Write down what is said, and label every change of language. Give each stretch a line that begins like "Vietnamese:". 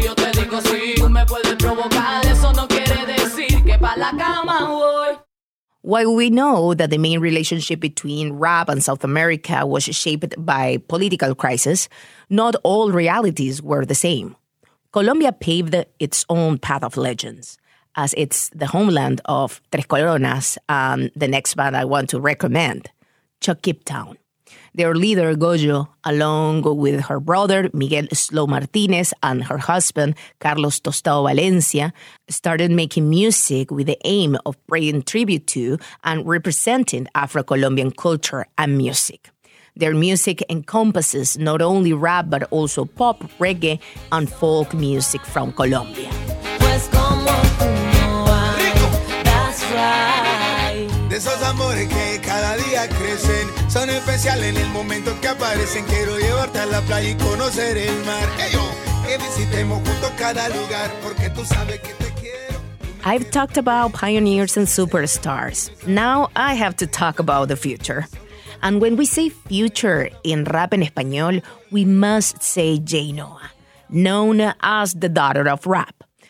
Spanish: Yo te digo sí, tú me puedes provocar. Eso no quiere decir que pa' la cama voy.
English: While we know that the main relationship between rap and South America was shaped by political crisis, not all realities were the same. Colombia paved its own path of legends, as it's the homeland of Tres Coronas and the next band I want to recommend, Choquiptown. Their leader, Goyo, along with her brother, Miguel Slow Martinez, and her husband, Carlos Tostado Valencia, started making music with the aim of paying tribute to and representing Afro-Colombian culture and music. Their music encompasses not only rap, but also pop, reggae, and folk music from Colombia.
Spanish: Pues como tú no hay,
English: that's right.
Spanish: De esos amores que cada día crecen, son especiales en el momento que aparecen. Quiero llevarte a la playa y conocer el mar. Hey, yo, que visitemos juntos cada lugar, porque tú sabes que te quiero.
English: I've talked about pioneers and superstars. Now I have to talk about the future. And when we say future in rap
Spanish: en español,
English: we must say Jay Noah, known as the daughter of rap.